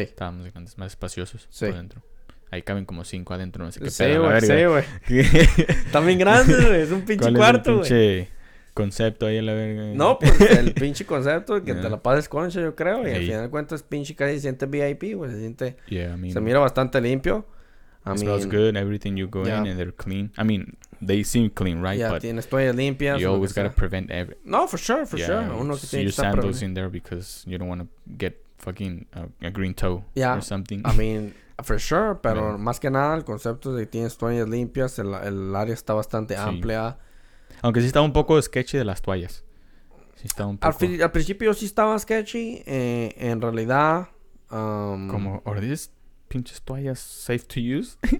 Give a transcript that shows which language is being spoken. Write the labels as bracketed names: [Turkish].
[Spanish] estaban más grandes, más espaciosos. Sí, por dentro ahí caben como 5 adentro, no sé qué. Sí, güey, están bien grandes, güey. Es un pinche ¿cuál cuarto, güey? Concepto ahí en la verga. No, pues el pinche concepto que te la pases concha, yo creo. Y al final de cuentas, pinche casi se siente VIP, güey. Se siente. [English] Yeah, I mean, [Spanish] se mira bastante limpio. [English] Smells good, everything you go in and they're clean. I mean, they seem clean, right? Yeah, but [Spanish] tienes toallas limpias. [English] You always gotta prevent every. No, for sure, for sure. [Spanish] Uno que tiene que estar [English] sandals in there because you don't want to get fucking a green toe or something. I mean, for sure, [Spanish] pero más que nada, el concepto de que tienes toallas limpias, el área está bastante amplia. Aunque sí estaba un poco sketchy de las toallas. Sí estaba un poco. Al principio sí estaba sketchy. En realidad. [English] Como, ¿are these [Spanish] pinches toallas [English] safe to use?